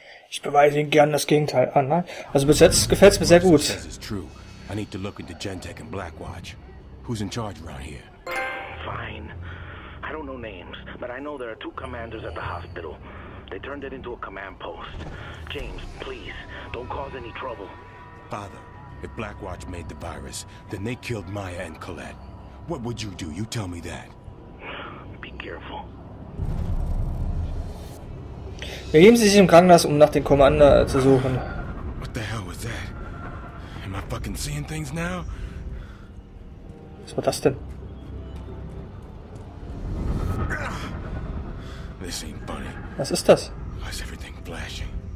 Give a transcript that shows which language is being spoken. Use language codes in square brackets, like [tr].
[de] Ich beweise Ihnen gern das Gegenteil. Ah, nein. Also bis jetzt gefällt's mir sehr gut. Das ist [en] true. I need to look into Gentech and Blackwatch. Who's in charge around here? Fine. I don't know names, but I know there are two commanders at the hospital. They turned it into a command post. James, please, don't cause any trouble. Father, if Blackwatch made the virus, then they killed Maya and Colette. What would you do? You tell me that. Be careful. [de] Begeben Sie sich im Krankenhaus, um nach dem Commander zu suchen. [en] What the hell was that? Am I fucking seeing things now? [de] war das denn? [en] This ain't funny. [de] Was ist das? [en] Why is everything flashing?